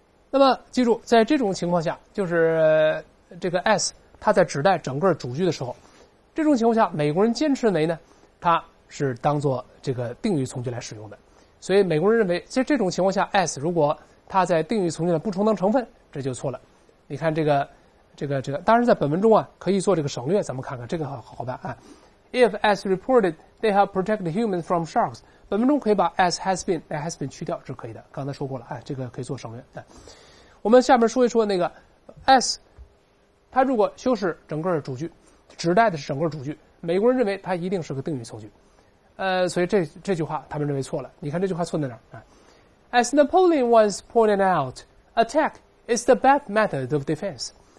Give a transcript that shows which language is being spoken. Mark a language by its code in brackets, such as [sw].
[zh] 那么记住，在这种情况下，就是这个 S 它在指代整个主句的时候，这种情况下美国人坚持认为呢，它是当做这个定语从句来使用的。所以美国人认为，在这种情况下 S 如果它在定语从句的不充当成分，这就错了。你看这个当然在本文中啊可以做这个省略，咱们看看这个好办啊。 [en] If as reported they have protected humans from sharks, [zh] 本文中可以把 [en] as has been, that has been [zh] 去掉是可以的。刚才说过了，哎，这个可以做省略。哎，我们下面说一说那个 as, 它如果修饰整个主句，指代的是整个主句，美国人认为它一定是个定语从句。所以这句话他们认为错了。你看这句话错在哪儿，哎？ [en] As Napoleon once pointed out, attack is the best method of defense.